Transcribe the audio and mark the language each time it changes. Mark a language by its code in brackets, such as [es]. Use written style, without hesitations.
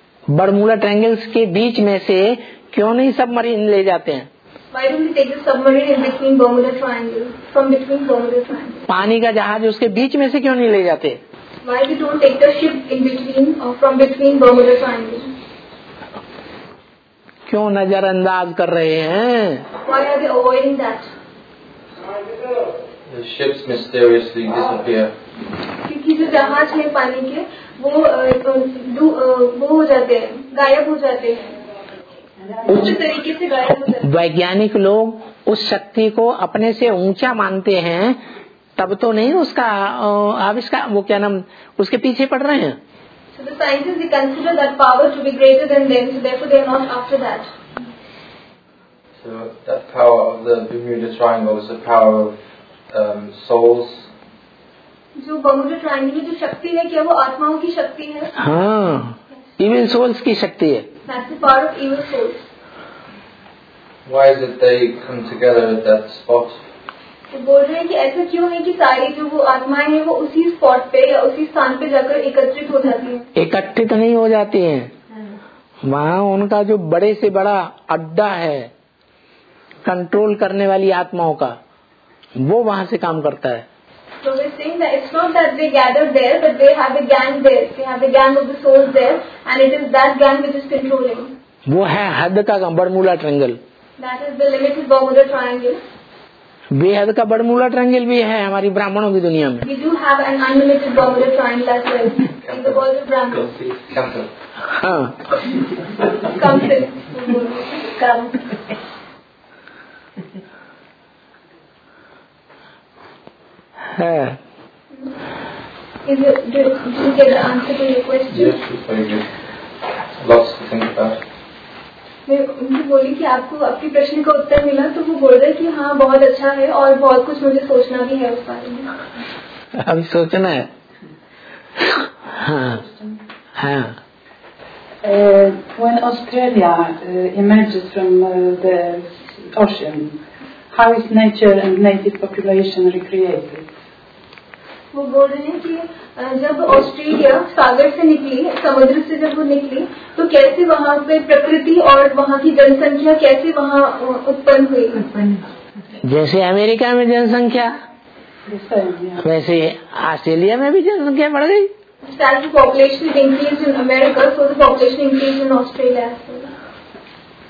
[hi] बर्मूला triangles के बीच में से क्यों नहीं सबमरीन ले जाते हैं? [en] Why don't we take the submarine in between Bermuda Triangle? From between Bermuda Triangle. [hi] पानी का जहाज उसके बीच में से क्यों नहीं ले जाते? [en] Why we don't take the ship in between or from between Bermuda Triangle? [hi] क्यों नजरअंदाज कर रहे हैं? [en] Why are they avoiding that? The ships mysteriously disappear. [hi] क्योंकि जो जहाज है पानी के वो हो जाते हैं, गायब हो जाते हैं, उसी तरीके से गायब हो जाते हैं। वैज्ञानिक लोग उस शक्ति को अपने से ऊंचा मानते हैं तब तो नहीं उसका आविष्कार वो क्या नाम उसके पीछे पड़ रहे हैं। [en] So the scientists they consider that power to be greater than them, so therefore they are not after that. So that power of the Bermuda Triangle is the power of souls. [hi] जो Bermuda triangle की जो शक्ति है क्या वो आत्माओं की शक्ति है? हाँ, इविल सोल्स की शक्ति है। [en] So That's the power of evil souls. Why is it they come together at that spot? [hi] बोल रहे हैं कि ऐसा क्यों है कि सारी जो वो आत्माएं हैं वो उसी स्पॉट पे या उसी स्थान पे जाकर एकत्रित हो जाती हैं? एकत्रित नहीं हो जाती हैं, वहाँ उनका जो बड़े से बड़ा अड्डा है कंट्रोल करने वाली आत्माओं का, वो वहाँ से काम करता है। [en] So we're saying that it's not that they gather there, but they have a gang there. They have a gang of the souls there, and it is that gang which is controlling. वो है हद का Bermuda Triangle. That is the limit of Bermuda Triangle. बेहद का Bermuda Triangle भी है हमारी ब्राह्मणों की दुनिया में। We do have an unlimited Bermuda Triangle as well in the world of Brahmins. Come sir. Come. Is it, did you get the answer to your question? Yes, very good. Lots to think about. [hi] मुझे बोली कि आपको आपके प्रश्न का उत्तर मिला तो वो बोल रहे कि हाँ बहुत अच्छा है और बहुत कुछ मुझे सोचना भी है उस बारे में। अभी सोचना है। [en] When Australia emerges from the ocean, how is nature and native population recreated? [hi] वो बोल रहे हैं कि जब ऑस्ट्रेलिया सागर से निकली, समुद्र से जब वो निकली, तो कैसे वहाँ पे प्रकृति और वहाँ की जनसंख्या कैसे वहाँ उत्पन्न हुई? जैसे अमेरिका में जनसंख्या, वैसे ऑस्ट्रेलिया में भी जनसंख्या बढ़ गई। [en] As the population increased in America, so the population increased in Australia as